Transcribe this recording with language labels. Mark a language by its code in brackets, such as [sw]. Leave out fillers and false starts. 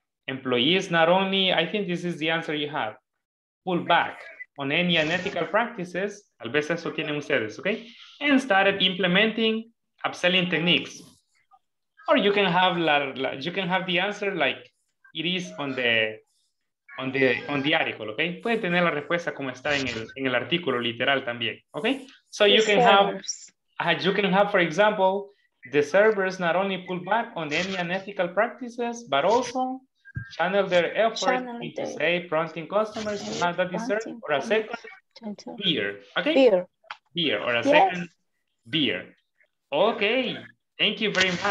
[en] Employees not only, I think this is the answer you have, pull back on any unethical practices, [es] tal vez eso tienen ustedes, [en] okay? And started implementing upselling techniques. Or you can have the answer like it is on the article, okay? [es] Pueden tener la respuesta como está en el artículo literal también, okay? [en] So you can have... you can have, for example, the servers not only pull back on any unethical practices, but also channel their effort into, say, prompting customers to have that dessert or a second beer. Okay? Beer. Or a second beer. Okay. Thank you very much.